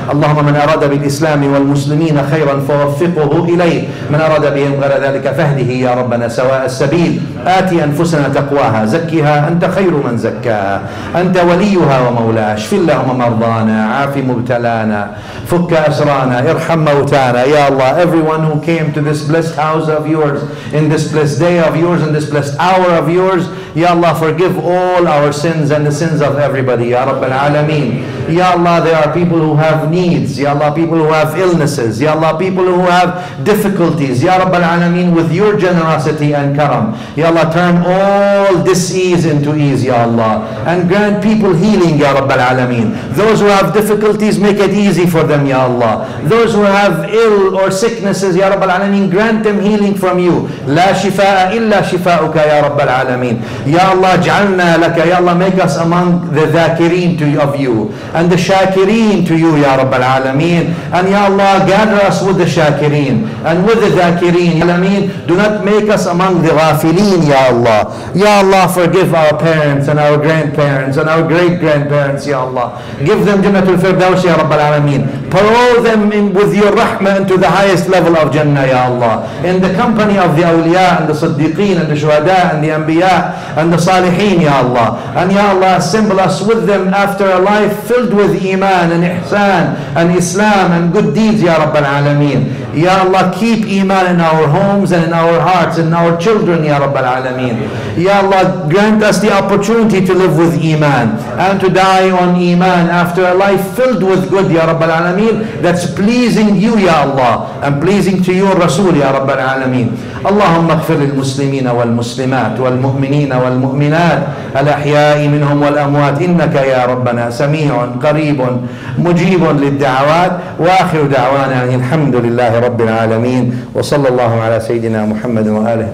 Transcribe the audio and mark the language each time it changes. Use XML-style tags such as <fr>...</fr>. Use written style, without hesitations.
<ar>اللهم من أراد بالإسلام والمسلمين خيرا فوفقه إليه، من أراد بهم غير ذلك فاهده يا ربنا سواء السبيل. آتي أنفسنا تقواها، زكها أنت خير من زكاها، أنت وليها ومولاها. اشف اللهم مرضانا، عاف مبتلانا، فك أسرانا، ارحم موتانا. يا الله،</ar> <en>everyone who came to this blessed house of yours, in this blessed day of yours, in this blessed hour of yours, يا الله forgive all our sins and the sins of everybody</en> <ar>يا رب العالمين. يا الله</ar> <en>there are people who have needs, يا الله people who have illnesses, يا الله people who have difficulties.</en> <ar>يا رب العالمين</ar> <en>with your generosity and karam, يا الله turn all disease into ease يا الله, and grant people healing يا رب العالمين. Those who have difficulties make it easy for them</en> <ar>يا الله.</ar> <en>Those who have ill or sicknesses</en> <ar>يا رب العالمين</ar> <en>grant them healing from you.</en> <ar>لا شفاء إلا شفاؤك يا رب العالمين. يا الله اجعلنا لك، يا الله</ar> <en>make us among the ذاكرين to you, of you and the شاكرين to you</en> <ar>يا رب العالمين.</ar> <en>And</en> <ar>يا الله</ar> <en>gather us with the شاكرين and with the ذاكرين.</en> <ar>يا الله</ar> <en>do not make us among the غافلين يا الله.</en> <ar>يا الله</ar> <en>forgive our parents and our grandparents and our great grandparents يا الله. Give them</en> <ar>جنة الفردوس يا رب العالمين.</ar> <en>Parole them in with your rahmah into the highest level of Jannah</en> <ar>يا الله.</ar> <en>In the company of the أولياء and the صديقين and the شهداء and the أنبياء and the صالحين</en> <ar>يا الله.</ar> <en>And</en> <ar>يا الله</ar> <en>assemble us with them after a life filled with إيمان and إحسان and إسلام and good deeds</en> <ar>يا رب العالمين. يا الله</ar> <en>keep إيمان in our homes and in our hearts and in our children</en> <ar>يا رب العالمين. يا الله</ar> <en>grant us the opportunity to live with إيمان and to die on إيمان after a life filled with good</en> <ar>يا رب العالمين</ar> <en>that's pleasing you يا الله and pleasing to your رسول يا رب العالمين.</en> <ar>اللهم اغفر للمسلمين والمسلمات والمؤمنين والمؤمنات الأحياء منهم والأموات إنك يا ربنا سميع قريب مجيب للدعوات. وآخر دعوانا يعني الحمد لله رب العالمين، وصلى الله على سيدنا محمد وآله.</ar>